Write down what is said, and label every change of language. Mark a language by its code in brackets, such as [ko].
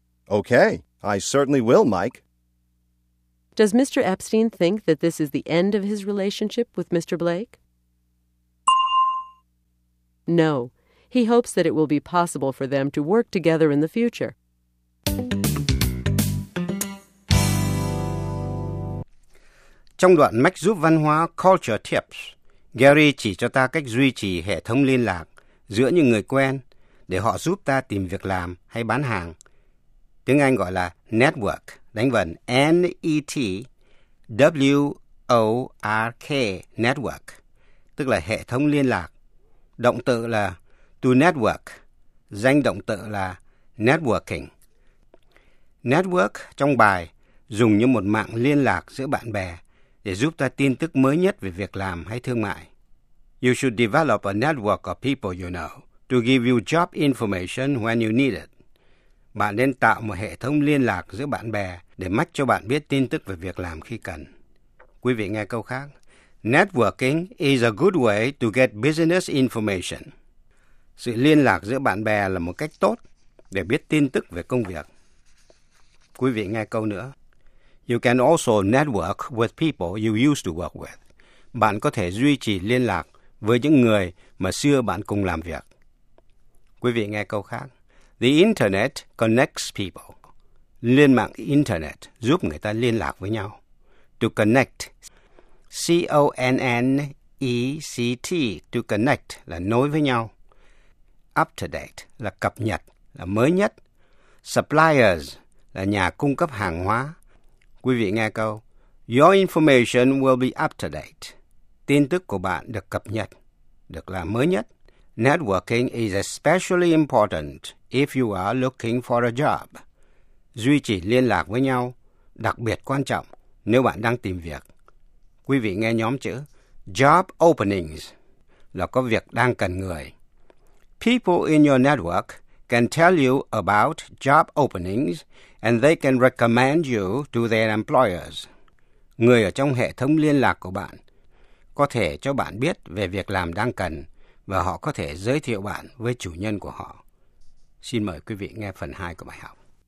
[en] Okay, I certainly will, Mike. Does Mr. Epstein think that this is the end of his relationship with Mr. Blake? No. He hopes that it will be possible for them to work together in the future. [vi] Trong đoạn mách giúp văn hóa Culture Tips, Gary chỉ cho ta cách duy trì hệ thống liên lạc giữa những người quen để họ giúp ta tìm việc làm hay bán hàng. Tiếng Anh gọi là Network, đánh vần N-E-T-W-O-R-K, Network, tức là hệ thống liên lạc. Động từ là to network, danh động từ là networking. Network trong bài dùng như một mạng liên lạc giữa bạn bè để giúp ta tin tức mới nhất về việc làm hay thương mại. [en] You should develop a network of people you know to give you job information when you need it. [vi] Bạn nên tạo một hệ thống liên lạc giữa bạn bè để mách cho bạn biết tin tức về việc làm khi cần. Quý vị nghe câu khác. [en] Networking is a good way to get business information. [vi] Sự liên lạc giữa bạn bè là một cách tốt để biết tin tức về công việc. Quý vị nghe câu nữa. [en] You can also network with people you used to work with. [vi] Bạn có thể duy trì liên lạc với những người mà xưa bạn cùng làm việc. Quý vị nghe câu khác. [en] The internet connects people. [vi] Liên mạng internet giúp người ta liên lạc với nhau. To connect. C-O-N-N-E-C-T. To connect là nối với nhau. Up to date là cập nhật, là mới nhất. Suppliers là nhà cung cấp hàng hóa. Quý vị nghe câu. [en] Your information will be up to date. [vi] Tin tức của bạn được cập nhật, được là mới nhất. [en] Networking is especially important if you are looking for a job. [vi] Duy trì liên lạc với nhau đặc biệt quan trọng nếu bạn đang tìm việc. Quý vị nghe nhóm chữ. Job openings là có việc đang cần người. [en] People in your network can tell you about job openings and they can recommend you to their employers. [vi] Người ở trong hệ thống liên lạc của bạn có thể cho bạn biết về việc làm đang cần và họ có thể giới thiệu bạn với chủ nhân của họ. Xin mời quý vị nghe phần 2 của bài học.